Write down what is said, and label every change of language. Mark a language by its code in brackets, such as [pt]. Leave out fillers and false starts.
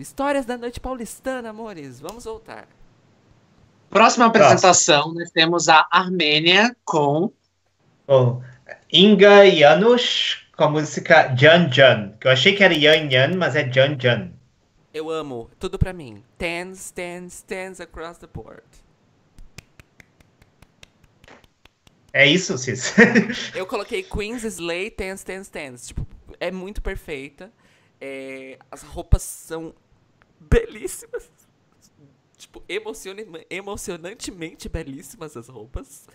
[pt] Histórias da noite paulistana, amores. Vamos voltar. Próxima Próximo. apresentação, nós temos a Armênia com. Oh, Inga Janusz com a música Jan Jan. Que eu achei que era Yan Yan, mas é Jan Jan. Eu amo. Tudo pra mim. [en] Tens, tens, tens across the board. [pt] É isso, Cis? Eu coloquei [en] Queen's Slay, Tense, Tense, Tense. [pt] Tipo, é muito perfeita. É, as roupas são belíssimas. Tipo, emocionantemente belíssimas as roupas.